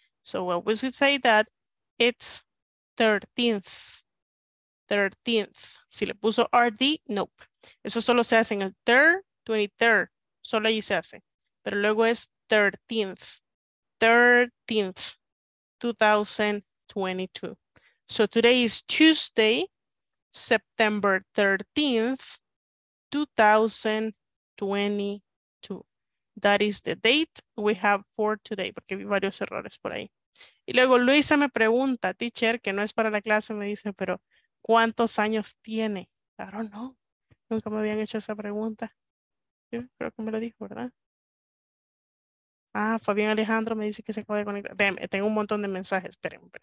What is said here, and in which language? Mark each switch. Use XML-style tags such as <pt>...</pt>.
<en>So what we should say that it's 13th.</en> <es>13th. Si le puso RD, nope. Eso solo se hace en el 3rd, 23rd. Solo allí se hace. Pero luego es 13th.</es> <en>13th. 2022. So today is Tuesday. September 13th, 2022. That is the date we have for today.</en> <es>Porque vi varios errores por ahí. Y luego Luisa me pregunta, teacher, que no es para la clase, me dice, pero ¿cuántos años tiene?</es> <en>I don't know.</en> <es>Nunca me habían hecho esa pregunta. Yo creo que me lo dijo, ¿verdad? Ah, Fabián Alejandro me dice que se acaba de conectar. Tengo un montón de mensajes. Esperen.</es>